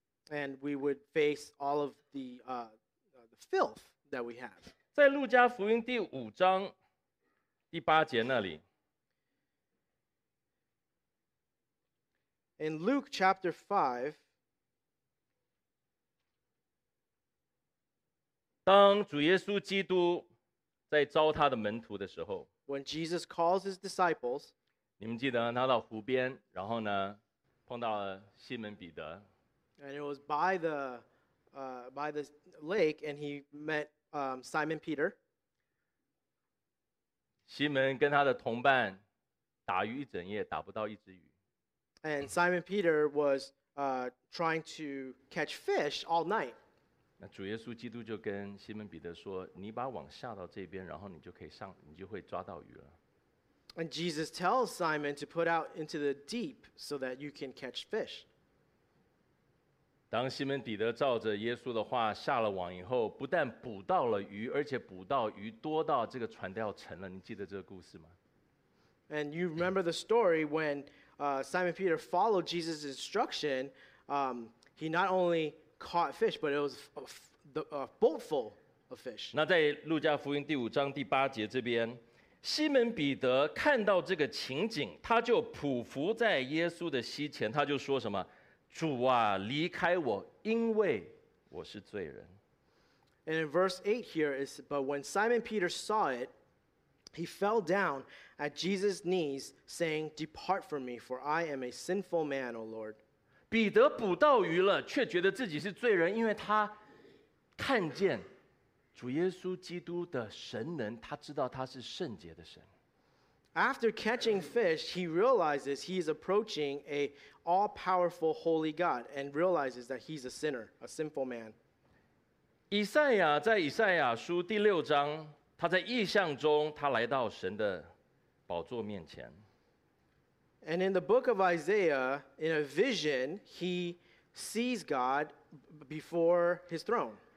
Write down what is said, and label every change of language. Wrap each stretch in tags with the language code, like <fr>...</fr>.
<en>And we would face all of the filth that we have.</en> <zh>在路加福音第五章第八节那里。</zh> <en>In Luke chapter 5,</en> <zh>当主耶稣基督在招他的门徒的时候，</zh> <en>When Jesus calls his disciples,</en> <zh>你们记得他到湖边，然后呢，碰到了西门彼得。</zh> <en>And it was by the lake, and he met Simon Peter.</en> <zh>西门跟他的同伴打鱼一整夜，打不到一只鱼。</zh> <en>And Simon Peter was trying to catch fish all night.</en> <zh>那主耶稣基督就跟西门彼得说，你把网下到这边，然后你就可以上，你就会抓到鱼了。</zh> <en>And Jesus tells Simon to put out into the deep so that you can catch fish.</en> <zh>当西门彼得照着耶稣的话下了网以后，不但捕到了鱼，而且捕到鱼多到这个船都要沉了。你记得这个故事吗？</zh> <en>And you remember the story when Simon Peter followed Jesus' instruction. He not only caught fish, but it was a boat full of fish.</en> <zh>那在路加福音第五章第八节这边，西门彼得看到这个情景，他就匍匐在耶稣的膝前，他就说什么？主啊，离开我，因为我是罪人。</zh> <en>And in verse 8 here is, but when Simon Peter saw it, he fell down at Jesus' knees, saying, Depart from me, for I am a sinful man, O Lord.</en> <zh>彼得捕到鱼了，却觉得自己是罪人，因为他看见主耶稣基督的神能，他知道他是圣洁的神。</zh> <en>After catching fish, he realizes he is approaching a all-powerful holy God and realizes that he's a sinner, a sinful man.</en> <zh>以赛亚在以赛亚书第六章，他在异象中，他来到神的宝座面前。</zh> <en>And in the book of Isaiah, in a vision, he sees God before his throne.</en>